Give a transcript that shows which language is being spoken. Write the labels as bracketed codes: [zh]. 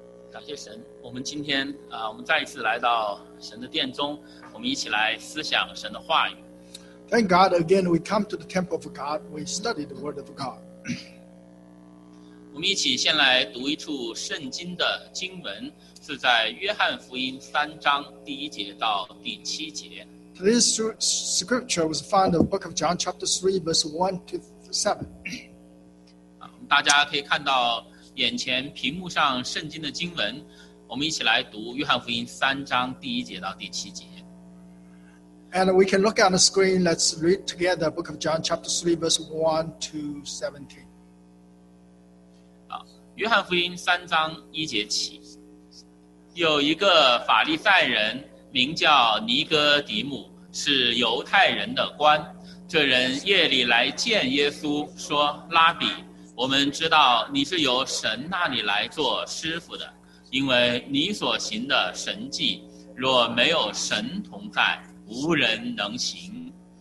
[zh] 感谢神，我们今天我们再一次来到神的殿中，我们一起来思想神的话语。 [en] Thank God again, we come to the temple of God. We study the word of God. [zh] 我们一起先来读一处圣经的经文，是在约翰福音三章第一节到第七节。 [en] Today's scripture was found in the book of John, chapter 3, verse 1 to 7. [zh] 大家可以看到眼前屏幕上圣经的经文，我们一起来读约翰福音三章第一节到第七节。 [en] And we can look on the screen, let's read together the book of John, chapter 3, verse 1 to 17. [zh] 约翰福音三章一节起，有一个法利赛人名叫尼哥底母，是犹太人的官。这人夜里来见耶稣，说：拉比，我们知道你是由神那里来做师傅的，因为你所行的神迹，若没有神同在，无人能行。